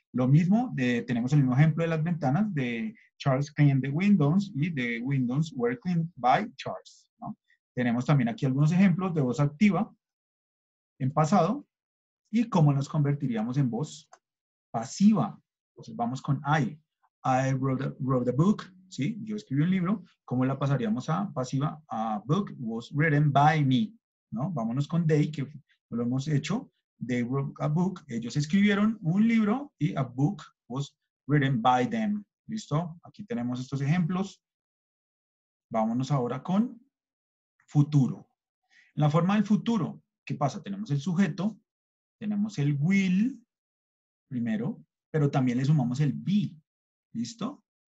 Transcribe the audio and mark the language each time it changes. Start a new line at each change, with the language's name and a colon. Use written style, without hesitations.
Spanish: Lo mismo, tenemos el mismo ejemplo de las ventanas de
English: Charles cleaned the windows
Spanish: y
English: the windows were cleaned by Charles,
Spanish: ¿no? Tenemos también aquí algunos ejemplos de voz activa en pasado y cómo nos convertiríamos en voz pasiva. Entonces vamos con I.
English: I wrote a book,
Spanish: ¿sí? Yo escribí un libro. ¿Cómo la pasaríamos a pasiva?
English: A book was written by me, ¿no?
Spanish: Vámonos con they, que lo hemos hecho.
English: They wrote a book.
Spanish: Ellos escribieron un libro y
English: a book was written by them.
Spanish: ¿Listo? Aquí tenemos estos ejemplos. Vámonos ahora con futuro. En la forma del futuro, ¿qué pasa? Tenemos el sujeto, tenemos el will primero, pero también le sumamos el be. ¿Listo?